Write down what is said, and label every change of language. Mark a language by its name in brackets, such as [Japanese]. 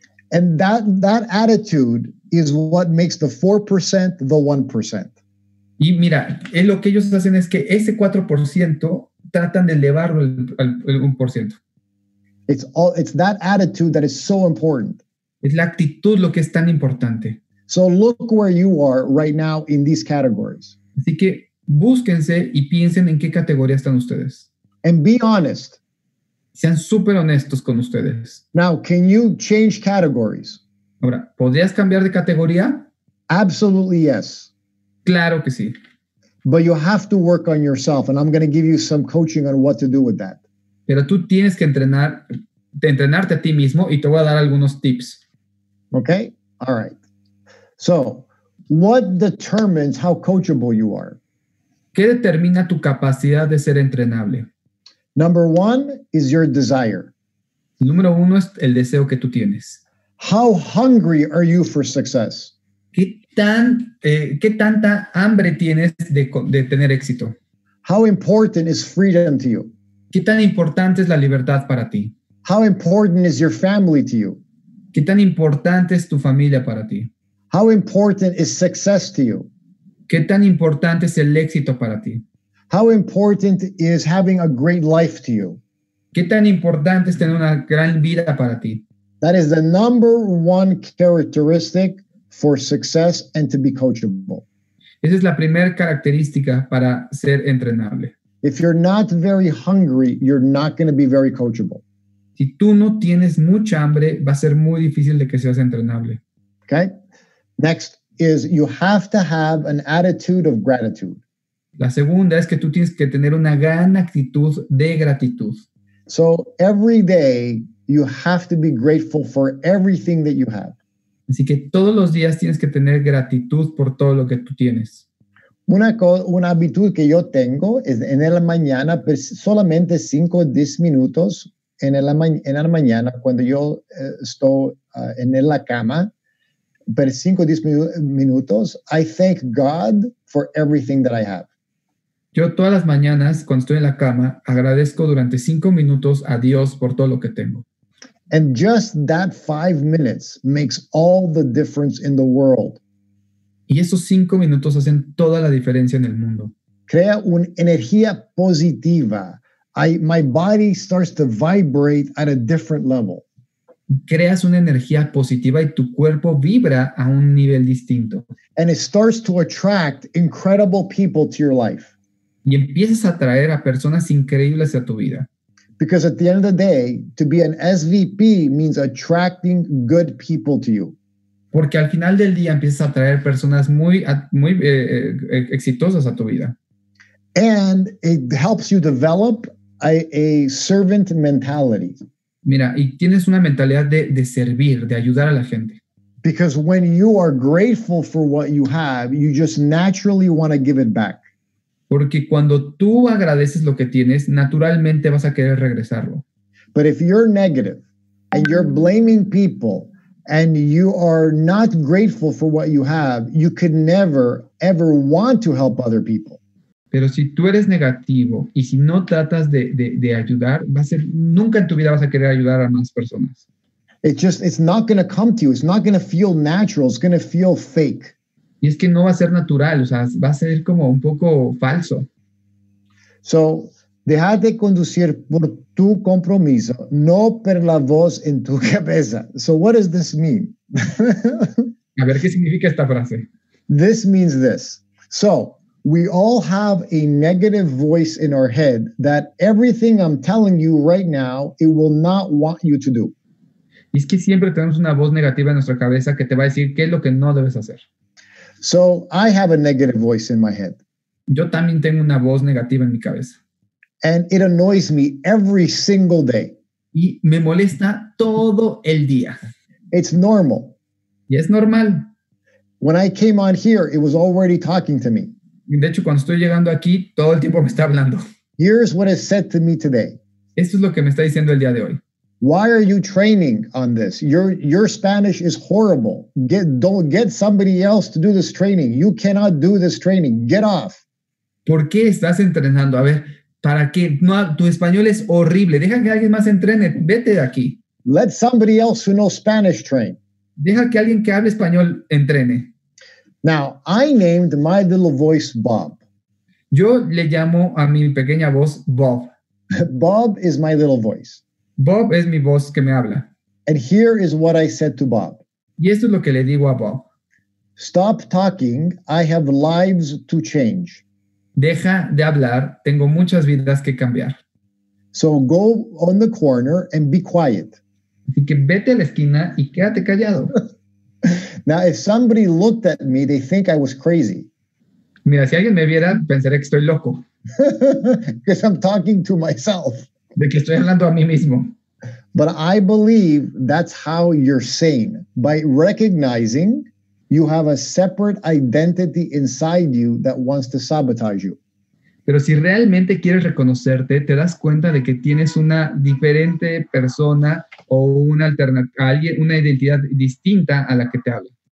[English] And that attitude is what makes the 4% the 1%. [Spanish] Y mira, lo que ellos hacen es que ese 4% tratan de elevarlo al 1%. [English] It's that attitude that is so important. [Spanish] Es la actitud lo que es tan importante. [English] So look where you are right now in these categories. [Spanish] Así que búsquense y piensen en qué categoría están ustedes. [English] And be honest. [Spanish] Sean súper honestos con ustedes. [English] Now, can you change categories? [Spanish] Ahora, ¿podrías cambiar de categoría? [English] Absolutely yes. [Spanish] Claro que sí. [English] But you have to work on yourself, and I'm going to give you some coaching on what to do with that. [Spanish] Pero tú tienes que entrenarte a ti mismo, y te voy a dar algunos tips. [English] Okay? All right. So, what determines how coachable you are? [Spanish] ¿Qué determina tu capacidad de ser entrenable? [English] Number one is your desire. [Spanish] Número uno es el deseo que tú tienes. [English] How hungry are you for success? [Spanish] ¿Qué tanta hambre tienes de tener éxito? [English] How important is freedom to you? [Spanish] ¿Qué tan importante es la libertad para ti? [English] How important is your family to you? [Spanish] ¿Qué tan importante es tu familia para ti? [English] How important is success to you? [Spanish] ¿Qué tan importante es el éxito para ti? [English] How important is having a great life to you? [Spanish] ¿Qué tan importante es tener una gran vida para ti? [English] That is the number one characteristic for success and to be coachable. [Spanish] Esa es la primera característica para ser entrenable. [English] If you're not very hungry, you're not going to be very coachable. [Spanish] Si tú no tienes mucha hambre, va a ser muy difícil de que seas entrenable. [English] Okay? Next is you have to have an attitude of gratitude. [Spanish] La segunda es que tú tienes que tener una gran actitud de gratitud. [English] So every day you have to be grateful for everything that you have. [Spanish] Así que todos los días tienes que tener gratitud por todo lo que tú tienes. Una habitud que yo tengo es en la mañana, solamente 5 o 10 minutos en la mañana cuando yo estoy en la cama, pero 5 o 10 minutos, [English] I thank God for everything that I have. [Spanish] Yo todas las mañanas, cuando estoy en la cama, agradezco durante 5 minutos a Dios por todo lo que tengo. [English] And just that 5 minutes makes all the difference in the world. [Spanish] Y esos 5 minutos hacen toda la diferencia en el mundo. Crea una energía positiva. [English] My body starts to vibrate at a different level. [Spanish] Creas una energía positiva y tu cuerpo vibra a un nivel distinto. [English] And it starts to attract incredible people to your life. [Spanish] Y empiezas a atraer a personas increíbles a tu vida. [English] Because at the end of the day, to be an SVP means attracting good people to you. [Spanish] Porque al final del día empiezas a atraer personas muy exitosas a tu vida. [English] And it helps you develop a servant mentality. [Spanish] Mira, y tienes una mentalidad de servir, de ayudar a la gente. [English] Because when you are grateful for what you have, you just naturally want to give it back. [Spanish] Porque cuando tú agradeces lo que tienes, naturalmente vas a querer regresarlo. [English] But if you're negative and you're blaming people and you are not grateful for what you have, you could never, ever want to help other people. [Spanish] Pero si tú eres negativo y si no tratas de ayudar, nunca en tu vida vas a querer ayudar a más personas. [English] It's not going to come to you. It's not going to feel natural. It's going to feel fake. [Spanish] Y es que no va a ser natural, o sea, va a ser como un poco falso. [English] So, [Spanish] dejar de conducir por tu compromiso, no por la voz en tu cabeza. [English] So what does this mean? [Spanish] A ver, ¿qué significa esta frase? [English] This means this. So, we all have a negative voice in our head that everything I'm telling you right now, it will not want you to do. [Spanish] Y es que siempre tenemos una voz negativa en nuestra cabeza que te va a decir qué es lo que no debes hacer. [English] So, I have a negative voice in my head. [Spanish] Yo también tengo una voz negativa en mi cabeza. [English] And it annoys me every single day. [Spanish] Y me molesta todo el día. [English] It's normal. [Spanish] Y es normal. [English] When I came on here, it was already talking to me. [Spanish] De hecho, cuando estoy llegando aquí, todo el tiempo me está hablando. [English] Here's what it said to me today. [Spanish] Esto es lo que me está diciendo el día de hoy. [English] Why are you training on this? Your Spanish is horrible. Get somebody else to do this training. You cannot do this training. Get off. [Spanish] ¿Por qué estás entrenando? A ver, ¿para qué? No, tu español es horrible. Deja que alguien más entrene. Vete de aquí. [English] Let somebody else who knows Spanish train. [Spanish] Deja que alguien que hable español entrene. [English] Now, I named my little voice Bob. [Spanish] Yo le llamo a mi pequeña voz Bob. [English] Bob is my little voice. [Spanish] Bob es mi voz que me habla. [English] And here is what I said to Bob. [Spanish] Y esto es lo que le digo a Bob. [English] Stop talking. I have lives to change. [Spanish] Deja de hablar. Tengo muchas vidas que cambiar. [English] So go on the corner and be quiet. [Spanish] Así que vete a la esquina y quédate callado. [English] Now, if somebody looked at me, they think I was crazy. [Spanish] Mira, si alguien me viera, pensaría que estoy loco. [English] Because I'm talking to myself. [Spanish] De que estoy hablando a mí mismo. [English] But I believe that's how you're sane. By recognizing you have a separate identity inside you that wants to sabotage you. [Spanish] Pero si realmente quieres reconocerte, te das cuenta de que tienes una diferente persona o una identidad distinta a la que te habla.